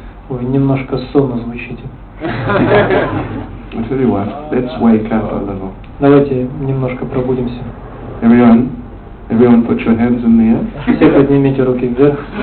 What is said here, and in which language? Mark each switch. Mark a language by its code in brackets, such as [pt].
[ru] Вы немножко сонно звучите. [en] I tell you what, let's wake up a little. [ru] Давайте немножко пробудимся. [en] Everyone? Everyone put your hands in the air. [ru] Все поднимите руки вверх.